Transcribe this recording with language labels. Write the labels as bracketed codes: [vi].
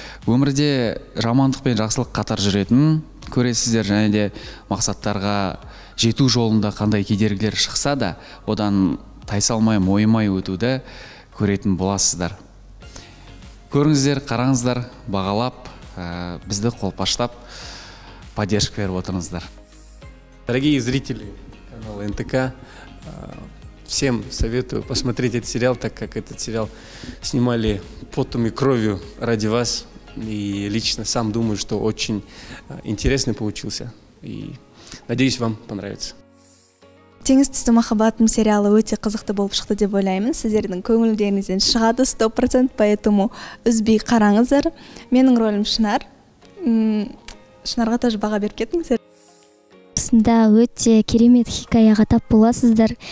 [kk] Өмірде жамандық пен жақсылық қатар жүретін көресіздер, және де мақсаттарға жету жолында қандай кедергілер шықса да, одан тайсалмай, мойымай өтуді көретін боласыздар. Көріңіздер, қараңыздар, бағалап, бізді қолпаштап, поддержка беріп отырыңыздар. [ru] Дорогие зрители канала НТК, всем советую посмотреть этот сериал, так как этот сериал снимали потом и кровью ради вас. И лично сам думаю, что очень интересный получился. И надеюсь, вам понравится. [kk] Теңіз түсті махаббатым сериалы өте қызықты болып шықты деп ойлаймын. Сіздердің көңілдеріңізден шығады 100%, поэтому үзбей қараңыздар. Менің ролім Шынар. Шынарға тоже баға беріп кетіңіздер. Сында өте керемет хикаяға тап боласыздар.